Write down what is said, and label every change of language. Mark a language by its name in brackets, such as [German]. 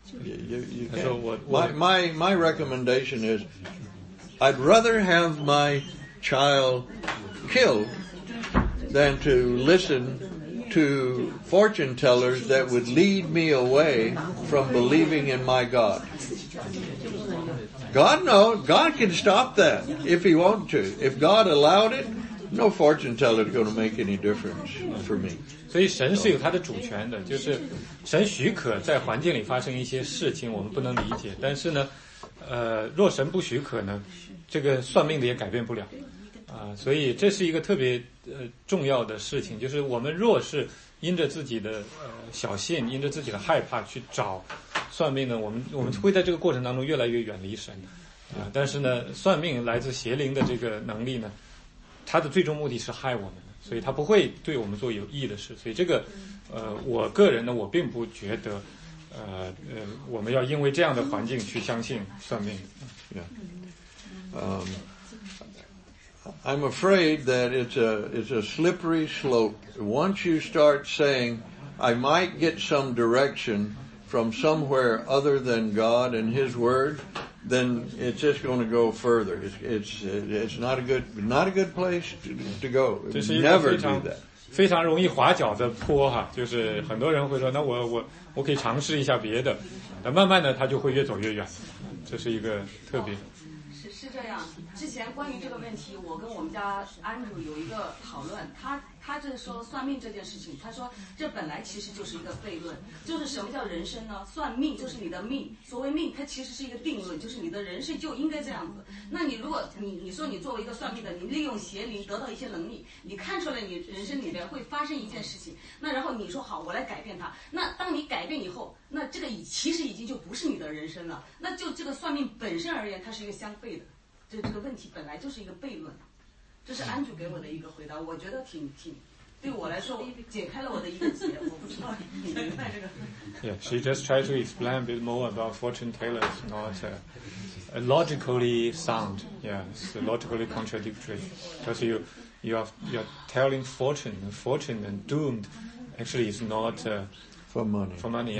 [English] You can't. My recommendation is, I'd rather have my child killed than to listen to fortune tellers that would lead me away from believing in my God. God knows. God can stop that if he wants to. If God allowed it, no fortune teller is going to make any difference for me. [Chinese] 所以神是有他的主权的，就是神许可在环境里发生一些事情我们不能理解，但是呢若神不许可呢，这个算命的也改变不了啊。所以这是一个特别重要的事情，就是我们若是因着自己的小信，因着自己的害怕去找算命呢，我们会在这个过程当中越来越远离神啊。但是呢，算命来自邪灵的这个能力呢，它的最终目的是害我们，所以他不会对我们做有益的事。所以这个我个人呢，我并不觉得我们要因为这样的环境去相信算命。 [English] I'm afraid that it's a slippery slope. Once you start saying I might get some direction from somewhere other than God and his word, then it's just going to go further. It's not a good place to go. Never do that. [Chinese] 非常容易滑脚的坡哈，就是很多人会说，那我可以尝试一下别的，那慢慢的他就会越走越远，这是一个特别。是这样，之前关于这个问题，我跟我们家安主有一个讨论，他就是说算命这件事情，他说这本来其实就是一个悖论，就是什么叫人生呢？算命就是你的命，所谓命它其实是一个定论，就是你的人生就应该这样子。那你如果你说你作为一个算命的，你利用邪灵得到一些能力，你看出来你人生里面会发生一件事情，那然后你说好我来改变它，那当你改变以后，那这个其实已经就不是你的人生了，那就这个算命本身而言它是一个相悖的，就这个问题本来就是一个悖论。这是安主给我的一个回答，我觉得挺对我来说解开了我的一个结，我不知道你明白这个。 [English] Yeah, she just tried to explain a bit more about fortune tellers, not logically sound. Yes, logically contradictory. Because you're telling fortune and doomed. Actually, it's not for money.